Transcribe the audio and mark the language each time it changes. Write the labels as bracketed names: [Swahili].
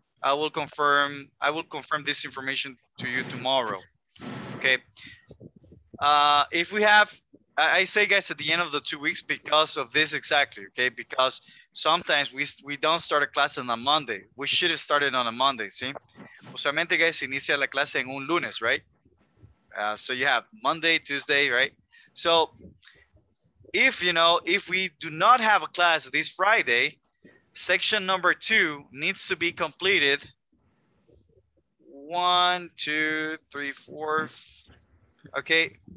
[English] I will confirm this information to you tomorrow, okay? If we have, I say, guys, at the end of the 2 weeks because of this exactly, okay? Because sometimes we don't start a class on a Monday. We should have started on a Monday, see? [Spanish] Usualmente, guys, inicia la clase en un lunes, right? [English] So you have Monday, Tuesday, right? So if, you know, if we do not have a class this Friday, section number two needs to be completed. 1, 2, 3, 4, okay?